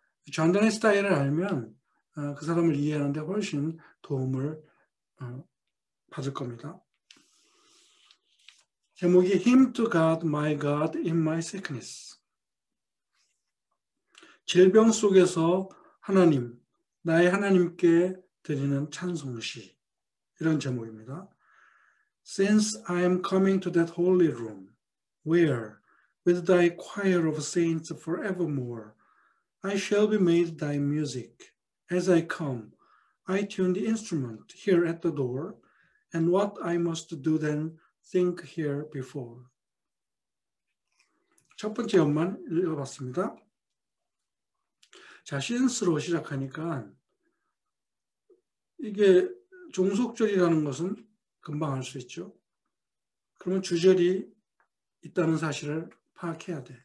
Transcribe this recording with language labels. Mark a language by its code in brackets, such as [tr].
[ko] 존다네 스타일을 알면 그 사람을 이해하는 데 훨씬 도움을 받을 겁니다. [en] 제목이 Him to God, My God in My Sickness. [ko] 질병 속에서 하나님, 나의 하나님께 드리는 찬송시. 이런 제목입니다. [en] Since I am coming to that holy room, where, with thy choir of saints forevermore, I shall be made thy music. As I come, I tune the instrument here at the door, and what I must do then Think here before. [ko] 첫 번째 연만 읽어봤습니다. 자, since로 시작하니까 이게 종속절이라는 것은 금방 알수 있죠. 그러면 주절이 있다는 사실을 파악해야 돼.